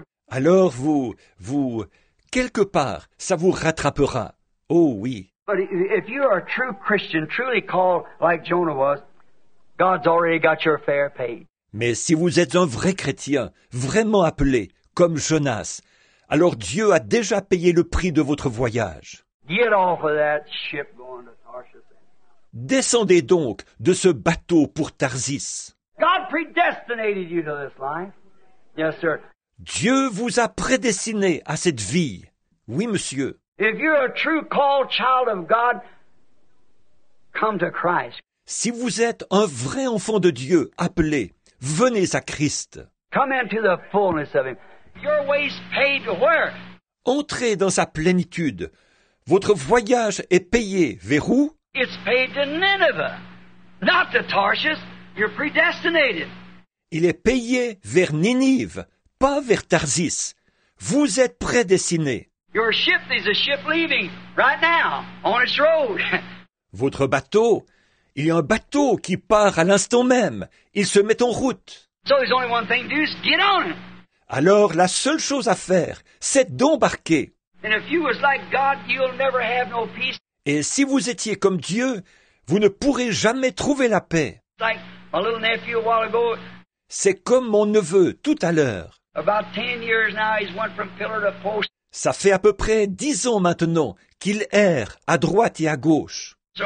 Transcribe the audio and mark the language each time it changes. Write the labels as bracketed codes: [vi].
[fr] Alors vous, quelque part, ça vous rattrapera. Oh oui. [en] But if you are a true Christian, truly called like Jonah was, God's already got your fare paid. [fr] Mais si vous êtes un vrai chrétien, vraiment appelé, comme Jonas, alors Dieu a déjà payé le prix de votre voyage. [en] Get off of that ship going to Tarshish. [fr] Descendez donc de ce bateau pour Tarsis. [en] God predestinated you to this life. Yes, sir. [fr] Dieu vous a prédestiné à cette vie. Oui, monsieur. [en] If you're a true called child of God, come to Christ. [fr] Si vous êtes un vrai enfant de Dieu appelé, venez à Christ. [en] Come into the fullness of Him. Your way's paid where? [fr] Entrez dans sa plénitude. Votre voyage est payé vers où? [en] It's paid to Nineveh, not to Tarshish. You're predestinated. [fr] Il est payé vers Ninive, pas vers Tarsis. Vous êtes prédestiné. [en] Your ship is a ship leaving right now on its road. [fr] Votre bateau, il y a un bateau qui part à l'instant même. Il se met en route. [en] So there's only one thing to do, get on. [fr] Alors la seule chose à faire, c'est d'embarquer. [en] And if you was like God, you'll never have no peace. [fr] Et si vous étiez comme Dieu, vous ne pourrez jamais trouver la paix. [en] Like my little nephew a while ago. [fr] C'est comme mon neveu tout à l'heure. [en] About 10 years now, he's went from pillar to post. [fr] Ça fait à peu près 10 ans maintenant qu'il erre à droite et à gauche.